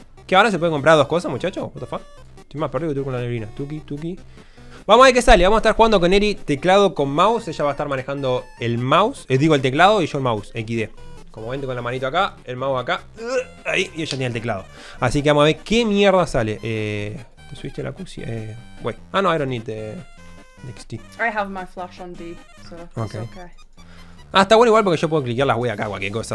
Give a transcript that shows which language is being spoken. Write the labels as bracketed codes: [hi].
[es] ¿Qué ahora se puede comprar dos cosas, muchacho? [en] What the fuck? [es] Estoy más perdido que tú con la neblina. Tuki, tuki. Vamos a ver qué sale. Vamos a estar jugando con Eri teclado con mouse. Ella va a estar manejando el mouse. Digo, el teclado y yo el mouse. XD. Como ven, con la manito acá, el mouse acá, ahí, y ella tiene el teclado. Así que vamos a ver qué mierda sale. ¿Te subiste la QC? Wait. [en] Ah, no, I don't need the next D. I have my flash on D, so okay. It's okay. [es] Ah, está bueno igual porque yo puedo cliquear las weas acá, cualquier cosa.